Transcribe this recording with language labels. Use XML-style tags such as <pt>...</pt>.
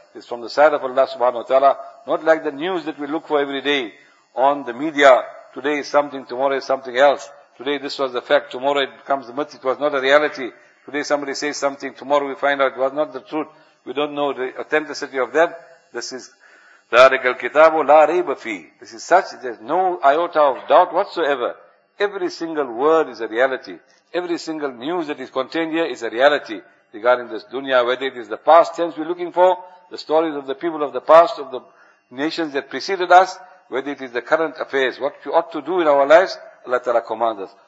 <en>It's from the side of Allah subhanahu wa ta'ala. Not like the news that we look for every day on the media. Today is something, tomorrow is something else. Today this was the fact, tomorrow it becomes the myth. It was not a reality. Today somebody says something, tomorrow we find out it was not the truth. We don't know the authenticity of that. This is</en> <ar>ذَٰلِكَ الْكِتَابُ لَا رَيْبَ فِي.</ar> <en>This is such, there's no iota of doubt whatsoever. Every single word is a reality. Every single news that is contained here is a reality regarding this dunya, whether it is the past tense we're looking for, the stories of the people of the past, of the nations that preceded us, whether it is the current affairs, what we ought to do in our lives, Allah Ta'ala commands us.</en>